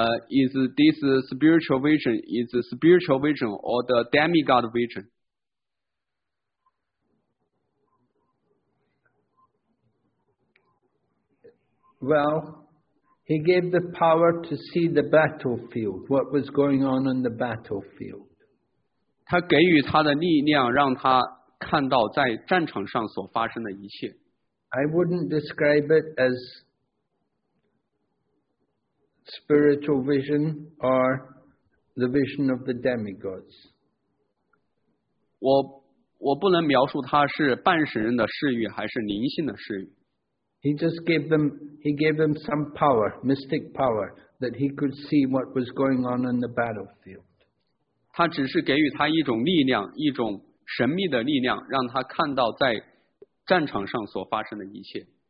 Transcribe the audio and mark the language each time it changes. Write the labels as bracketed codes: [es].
[en] Is this spiritual vision is the spiritual vision or the demigod vision? Well, he gave the power to see the battlefield, what was going on the battlefield. [zh] 他给予他的力量，让他看到在战场上所发生的一切。 [en] I wouldn't describe it as spiritual vision or the vision of the demigods. [zh] 我不能描述他是半神人的视域还是灵性的视域。 [en] He just gave them. He gave them some power, mystic power, that he could see what was going on in the battlefield. [zh] 他只是给予他一种力量，一种神秘的力量，让他看到在战场上所发生的一切。